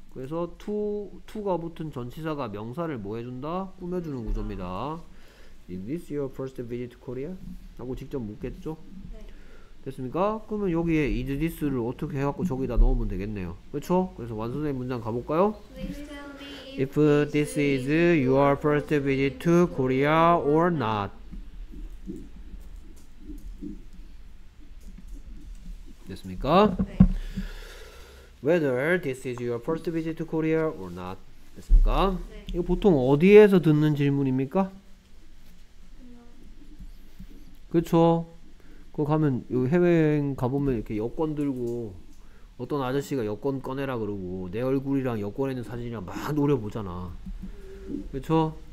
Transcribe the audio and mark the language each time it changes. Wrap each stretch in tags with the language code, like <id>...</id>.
<ko>그래서 to가 붙은 전치사가 명사를 뭐 해준다? 꾸며주는 구조입니다.</ko> <en>Is this your first visit to Korea?</en> <ko>하고 직접 묻겠죠? 됐습니까? 그러면 여기에 is this를 어떻게 해갖고 저기다 넣으면 되겠네요. 그렇죠? 그래서 완성된 문장 가볼까요?</ko> <en>If this is your first visit to Korea or not.</en> <ko>됐습니까? 네.</ko> <en>Whether this is your first visit to Korea or not.</en> <ko>됐습니까? 네. 이거 보통 어디에서 듣는 질문입니까? 그렇죠? 그 가면 여기 해외여행 가보면 이렇게 여권 들고 어떤 아저씨가 여권 꺼내라 그러고 내 얼굴이랑 여권에 있는 사진이랑 막 노려보잖아. 그쵸?</ko>